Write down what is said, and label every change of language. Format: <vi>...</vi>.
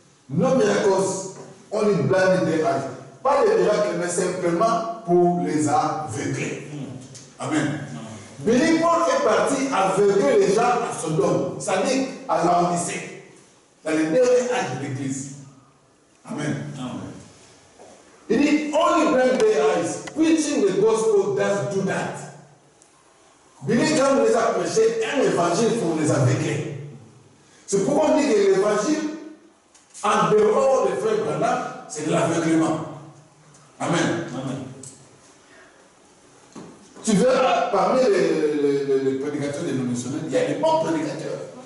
<en>No miracles, only blind in their eyes.</en> <fr>Pas de miracles, mais simplement pour les aveugler. Amen. Billy Paul est parti aveugler les gens à Sodome, c'est-à-dire à Laodicée, dans les derniers âges de l'Église. Amen. Il dit,</fr> <en>only blind their eyes, preaching the gospel does do that.</en> <fr>Billy Graham les a prêché un évangile pour les aveugler. C'est pourquoi on dit que l'évangile, en dehors des frères Branham, c'est de l'aveuglement. Amen. Amen. Tu verras, parmi les prédicateurs dénominationnels, il y a des bons prédicateurs.</fr>